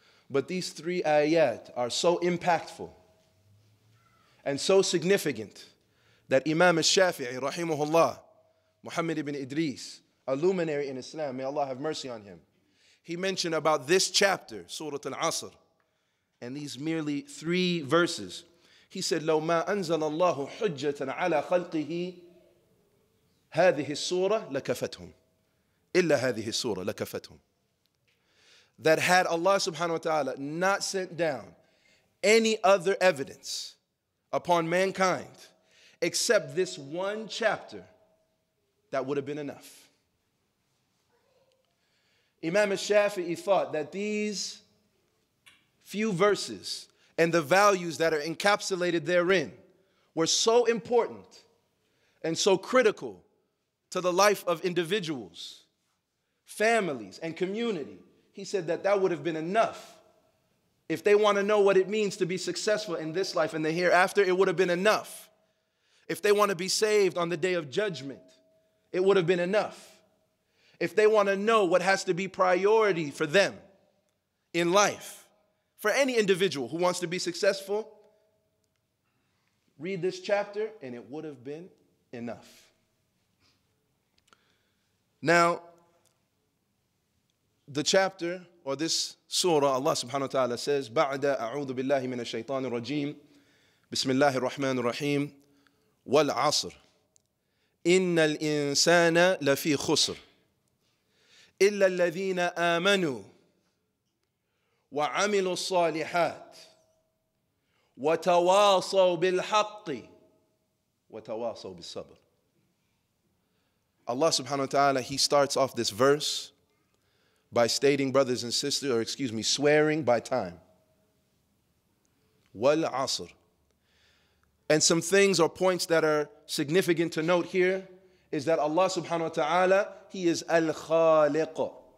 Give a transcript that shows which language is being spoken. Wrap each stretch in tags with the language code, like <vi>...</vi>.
<en>But these three ayat are so impactful and so significant that Imam al-Shafi'i, rahimahullah, Muhammad ibn Idris, a luminary in Islam, may Allah have mercy on him, he mentioned about this chapter, Surah Al-Asr, and these merely three verses. He said,</en> <ar>لو ما أنزل الله حجة على خلقه هذه السورة لكفتهم إلا هذه السورة لكفتهم.</ar> <en>That had Allah subhanahu wa ta'ala not sent down any other evidence upon mankind except this one chapter, that would have been enough. Imam al-Shafi'i thought that these few verses and the values that are encapsulated therein were so important and so critical to the life of individuals, families, and community. He said that that would have been enough. If they want to know what it means to be successful in this life and the hereafter, it would have been enough. If they want to be saved on the day of judgment, it would have been enough. If they want to know what has to be priority for them in life, for any individual who wants to be successful, read this chapter and it would have been enough. Now, the chapter or this surah, Allah subhanahu wa ta'ala says,</en> <ar>بَعْدَ أَعُوذُ بِاللَّهِ مِنَ الشَّيْطَانِ الرَّجِيمِ بِسْمِ اللَّهِ الرَّحْمَنِ الرَّحِيمِ وَالْعَصْرِ إِنَّ الْإِنسَانَ لَفِي خُسْرِ إِلَّا الَّذِينَ آمَنُوا وَعَمِلُوا الصَّالِحَاتِ وَتَوَاصَوْا بِالْحَقِّ وَتَوَاصَوْا بِالصَّبْرِ.</ar> <en>Allah subhanahu wa ta'ala, he starts off this verse by stating, brothers and sisters, or excuse me, swearing by time. Wal asr. And some things or points that are significant to note here is that Allah subhanahu wa ta'ala, he is al-khaliq.</en>